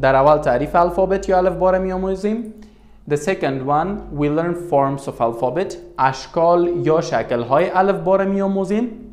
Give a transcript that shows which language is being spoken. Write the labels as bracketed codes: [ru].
[fa] در اول تعریف الفابت یا الفبا را میآموزیم. [en] The second one, we learn forms of alphabet. [fa] اشکال یا شکل های الفبا را میآموزیم.